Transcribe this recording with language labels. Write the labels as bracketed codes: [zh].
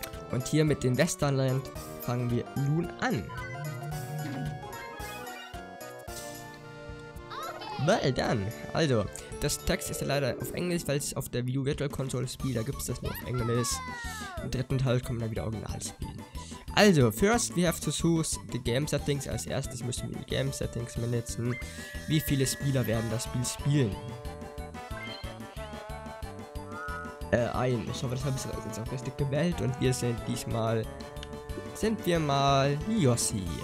[de] Und hier mit dem Westernland fangen wir nun an. [en] Well done! [de] Also, das Text ist ja leider auf Englisch, weil ich auf der Wii U Virtual Console spiele, da gibt es das nur auf Englisch. Im dritten Teil kommen dann wieder Original spielen. [en] Also, first we have to choose the game settings. [de] Als erstes müssen wir die Game Settings managen. Wie viele Spieler werden das Spiel spielen? Ein. Ich hoffe, das habe ich jetzt auch richtig gewählt. Und wir sind diesmal. Sind wir mal Yoshi.